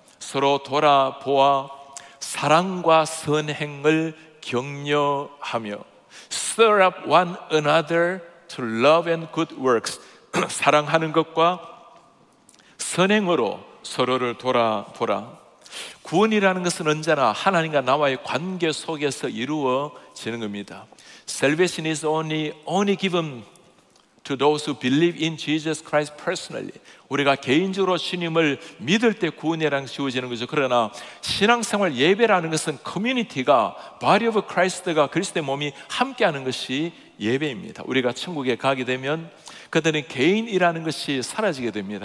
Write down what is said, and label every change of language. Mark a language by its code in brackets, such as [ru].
[ko] 서로 돌아보아 사랑과 선행을 격려하며 [en] stir up one another to love and good works. [ko] 사랑하는 것과 선행으로 서로를 돌아보라. 구원이라는 것은 언제나 하나님과 나와의 관계 속에서 이루어지는 겁니다. [en] Salvation is only given to those who believe in Jesus Christ personally. [ko] 우리가 개인적으로 주님을 믿을 때 구원이라는 것이 주어지는 거죠. 그러나 신앙생활 예배라는 것은 커뮤니티가 Body of Christ가 그리스도의 몸이 함께하는 것이 예배입니다. 우리가 천국에 가게 되면 그때는 개인이라는 것이 사라지게 됩니다.